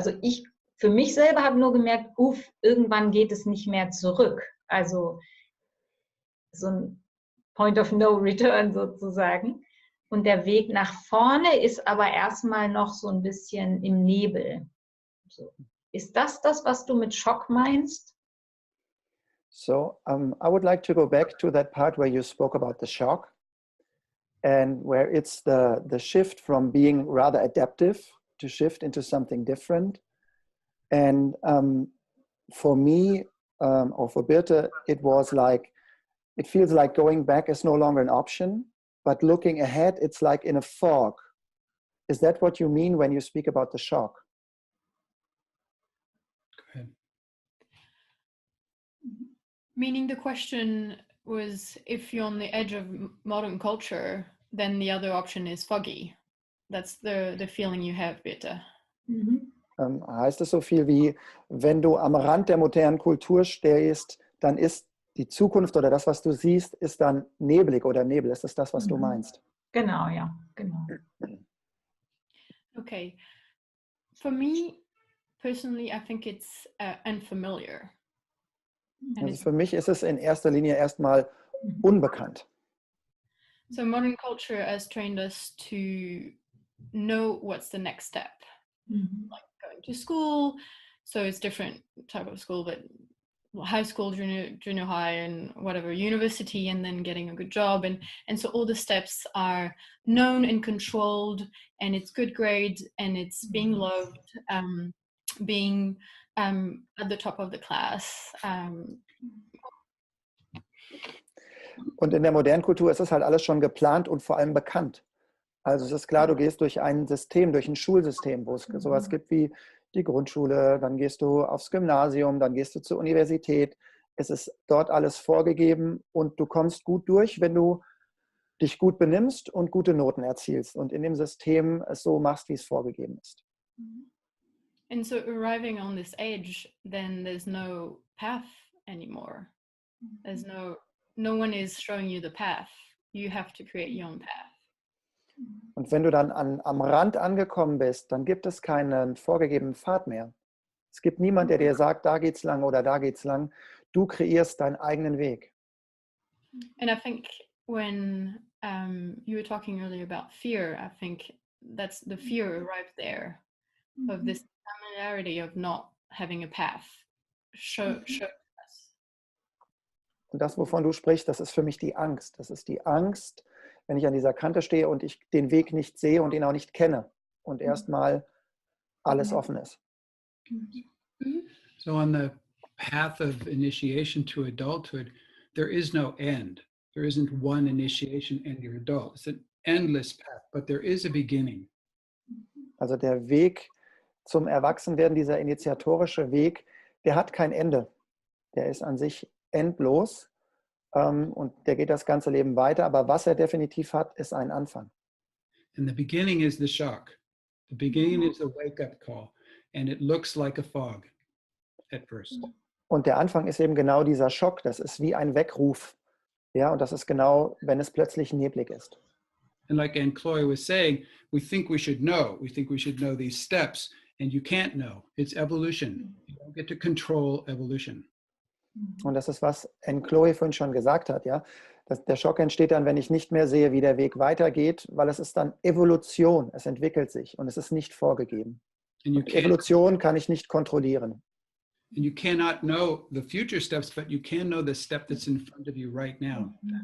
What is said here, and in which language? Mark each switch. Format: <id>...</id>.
<de>Also ich für mich selber habe nur gemerkt, uff, irgendwann geht es nicht mehr zurück. Also so ein</de> <en>Point of no return</en> <de>sozusagen. Und der Weg nach vorne ist aber erstmal noch so ein bisschen im Nebel. So. Ist das das, was du mit Schock meinst?</de> <en>So, I would like to go back to that part where you spoke about the shock and where it's the shift from being rather adaptive to shift into something different. And for me, or for Birte, it was like, it feels like going back is no longer an option, but looking ahead, it's like in a fog. Is that what you mean when you speak about the shock? Meaning the question was, if you're on the edge of modern culture, then the other option is foggy. That's the feeling you have, Birte. Mm-hmm.</en> <de>Heißt es so viel wie, wenn du am Rand der modernen Kultur stehst, dann ist die Zukunft oder das, was du siehst, ist dann neblig oder Nebel. Ist das das, was mm-hmm. du meinst? Genau, ja. Genau.</de> <en>Okay. For me, personally, I think it's unfamiliar.</en> <de>Also für mich ist es in erster Linie erstmal unbekannt.</de> <en>So modern culture has trained us to know what's the next step. Mm-hmm. Like going to school, so it's different type of school, but high school, junior high and whatever, university and then getting a good job. And so all the steps are known and controlled and it's good grades and it's being loved, being at the top of the class.</en> <de>Und in der modernen Kultur ist das halt alles schon geplant und vor allem bekannt. Also es ist klar, du gehst durch ein System, durch ein Schulsystem, wo es sowas gibt wie die Grundschule, dann gehst du aufs Gymnasium, dann gehst du zur Universität. Es ist dort alles vorgegeben und du kommst gut durch, wenn du dich gut benimmst und gute Noten erzielst und in dem System es so machst, wie es vorgegeben ist.</de> <en>And so arriving on this edge, then there's no path anymore. There's no one is showing you the path. You have to create your own path.</en> <de>Und wenn du dann am Rand angekommen bist, dann gibt es keinen vorgegebenen Pfad mehr. Es gibt niemand, der dir sagt, da geht's lang oder da geht's lang. Du kreierst deinen eigenen Weg.</de> <en>And I think when you were talking earlier about fear, I think that's the fear arrived there mm-hmm. of this familiarity of not having a path. Show</en> <de>Und das, wovon du sprichst, das ist für mich die Angst. Das ist die Angst, wenn ich an dieser Kante stehe und ich den Weg nicht sehe und ihn auch nicht kenne und erstmal alles offen ist.</de> <en>So on the path of initiation to adulthood, there is no end. There isn't one initiation and you're adult. It's an endless path, but there is a beginning.</en> <de>Also der Weg zum Erwachsenwerden, dieser initiatorische Weg, der hat kein Ende. Der ist an sich endlos und der geht das ganze Leben weiter, aber was er definitiv hat, ist ein Anfang.</de> <en>And the beginning is the shock. The beginning is a wake-up call and it looks like a fog at first.</en> <de>Und der Anfang ist eben genau dieser Schock, das ist wie ein Weckruf. Ja, und das ist genau, wenn es plötzlich neblig ist.</de> <en>And like Anne Chloe was saying, we think we should know. We think we should know these steps and you can't know. It's evolution. You don't get to control evolution.</en> <de>Und das ist, was Anne Chloe vorhin schon gesagt hat, ja. Dass der Schock entsteht dann, wenn ich nicht mehr sehe, wie der Weg weitergeht, weil es ist dann Evolution, es entwickelt sich und es ist nicht vorgegeben. Evolution kann ich nicht kontrollieren.</de> <en>And you cannot know the future steps, but you can know the step that's in front of you right now.</en>